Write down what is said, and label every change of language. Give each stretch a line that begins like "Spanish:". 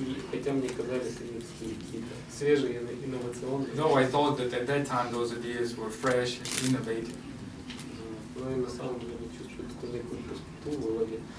Russian: хотя мне казались они какие-то свежие и инновационные.
English: No, I thought that at that time those ideas were fresh and innovative.
Russian: Но я на самом деле чувствую какую-то некую пустоту в голове.